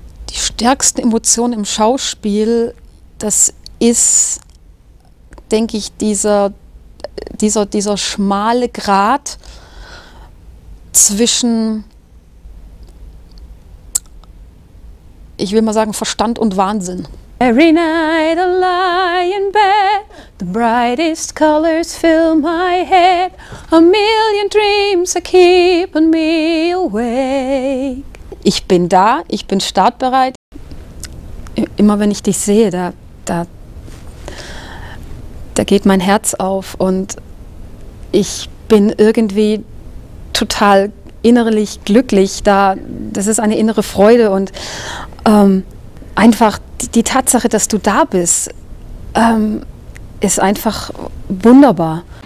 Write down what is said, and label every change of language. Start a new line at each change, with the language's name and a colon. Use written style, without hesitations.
German: Die stärksten Emotionen im Schauspiel, das ist, denke ich, dieser schmale Grat zwischen, ich will mal sagen, Verstand und Wahnsinn.
English: Every night I lie in bed, the brightest colors fill my head, a million dreams are keeping me awake.
German: Ich bin da, ich bin startbereit. Immer wenn ich dich sehe, da geht mein Herz auf und ich bin irgendwie total innerlich glücklich, da, das ist eine innere Freude und einfach die Tatsache, dass du da bist, ist einfach wunderbar.